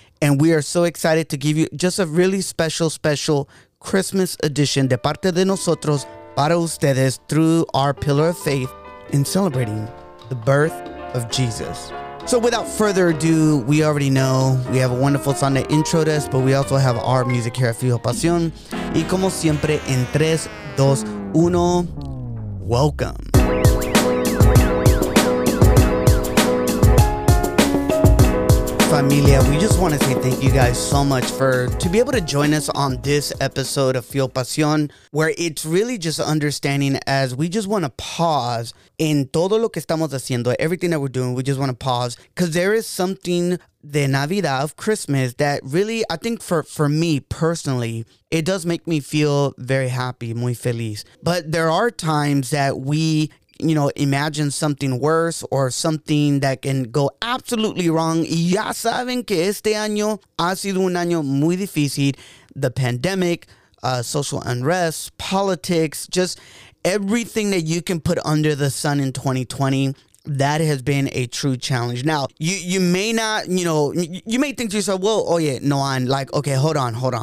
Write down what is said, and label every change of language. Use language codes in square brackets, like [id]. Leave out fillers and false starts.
[en] And we are so excited to give you just a really special, special Christmas edition [es] de parte de nosotros para ustedes [en] through our pillar of faith in celebrating the birth of Jesus. So without further ado, we already know we have a wonderful Sunday intro to us, but we also have our music here at Fuel Pasión. [es] Y como siempre, en 3, 2, 1, [en] welcome. Familia, we just want to say thank you guys so much for to be able to join us on this episode of Fuel Pasión, where it's really just understanding as we just want to pause in [es] todo lo que estamos haciendo, [en] everything that we're doing, we just want to pause because there is something [es] de Navidad, [en] of Christmas, that really, I think for me personally, it does make me feel very happy, [es] muy feliz. [en] But there are times that we, you know, imagine something worse or something that can go absolutely wrong. [es] Ya saben que este año ha sido un año muy difícil. [en] The pandemic, social unrest, politics, just everything that you can put under the sun in 2020. That has been a true challenge. Now, you may not, you know, you may think to yourself, well, oh yeah, no, I'm like, okay, hold on.